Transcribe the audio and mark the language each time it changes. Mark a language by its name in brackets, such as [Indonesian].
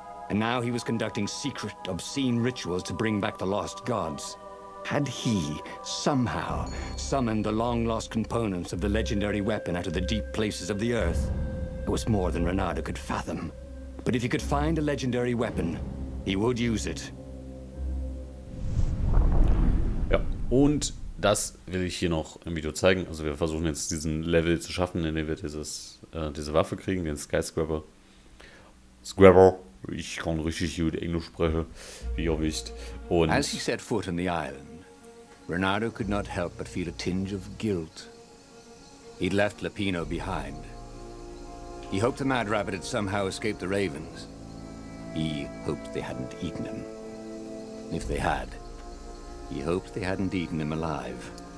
[English] And now he was conducting secret, obscene rituals to bring back the lost gods. Had he, somehow, summoned the long-lost components of the legendary weapon out of the deep places of the Earth? It was more than Renardo could fathom. But if he could find a legendary weapon, he would use it. [German] Ja, und das will ich hier noch im Video zeigen. Also wir versuchen jetzt diesen Level zu schaffen, in dem wir dieses, diese Waffe kriegen, den Skyscraper. Scrapper, ich kann richtig gut Englisch sprechen, wie ihr wisst. Und [English] as he set foot on the island, Renardo could not help but feel a tinge of guilt. He'd left Lupino behind. He hoped the Mad Rabbit had somehow escaped the Ravens. He hoped they hadn't eaten him. If they had, he hoped they hadn't eaten him alive.